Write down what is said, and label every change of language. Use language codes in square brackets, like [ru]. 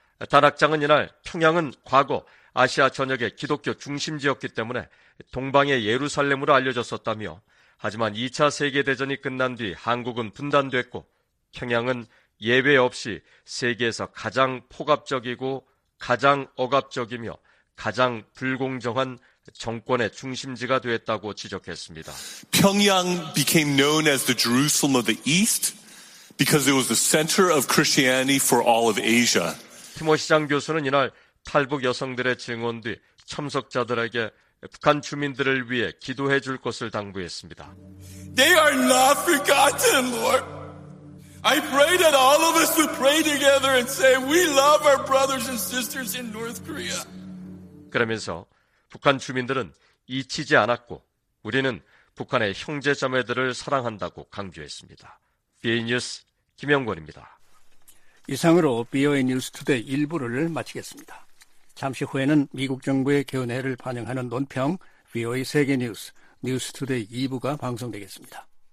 [ko] 단 학장은 이날 평양은 과거 아시아 전역의 기독교 중심지였기 때문에 동방의 예루살렘으로 알려졌었다며 하지만 2차 세계대전이 끝난 뒤 한국은 분단됐고 평양은 예외 없이 세계에서 가장 폭압적이고 가장 억압적이며 가장 불공정한 정권의 중심지가 되었다고 지적했습니다. [en] Pyongyang became known as the Jerusalem of the East because it was the center of Christianity for all of Asia. [ko] 티모시 장 교수는 이날 탈북 여성들의 증언 뒤 참석자들에게 북한 주민들을 위해 기도해 줄 것을 당부했습니다. [en] They are not forgotten, Lord. I pray that all of us would pray together and say we love our brothers and sisters in North Korea. [ko] 그러면서 북한 주민들은 잊히지 않았고 우리는 북한의 형제 자매들을 사랑한다고 강조했습니다. VOA 뉴스 김영권입니다. 이상으로 VOA 뉴스 투데이 1부를 마치겠습니다. 잠시 후에는 미국 정부의 견해를 반영하는 논평 VOA 세계 뉴스 뉴스 투데이 2부가 방송되겠습니다.